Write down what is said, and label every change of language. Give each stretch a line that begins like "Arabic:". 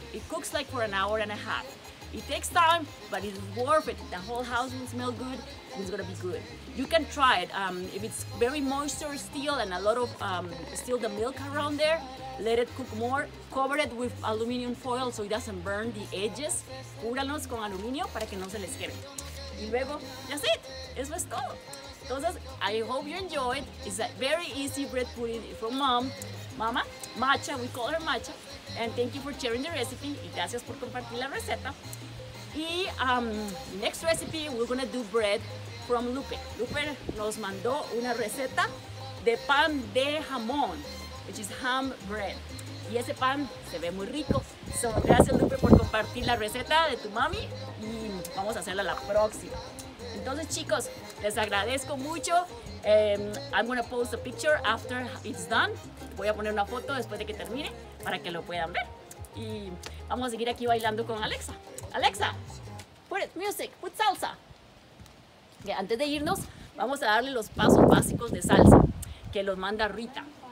English: It cooks like for an hour and a half. It takes time, but it's worth it. The whole house will smell good, and it's gonna be good. You can try it. If it's very moist or still and a lot of still the milk around there, let it cook more. Cover it with aluminum foil so it doesn't burn the edges.
Spanish: Cúbranos con aluminio para que no se les quede. Y luego,
English: that's it.
Spanish: Eso es todo. Entonces,
English: I hope you enjoyed. It's a very easy bread pudding from mom. Mama, Macha, we call her Macha. And thank you for sharing the recipe.
Spanish: Y gracias por compartir la receta.
English: Y next recipe, we're gonna do bread from Lupe.
Spanish: Lupe nos mandó una receta de pan de jamón,
English: which is ham bread.
Spanish: Y ese pan se ve muy rico. So, gracias Lupe por compartir la receta de tu mami y vamos a hacerla la próxima. Entonces chicos, les agradezco mucho.
English: I'm gonna post a picture after it's done.
Spanish: Voy a poner una foto después de que termine para que lo puedan ver. Y vamos a seguir aquí bailando con Alexa. Alexa,
English: put music, put salsa.
Spanish: Okay, antes de irnos, vamos a darle los pasos básicos de salsa que los manda Rita.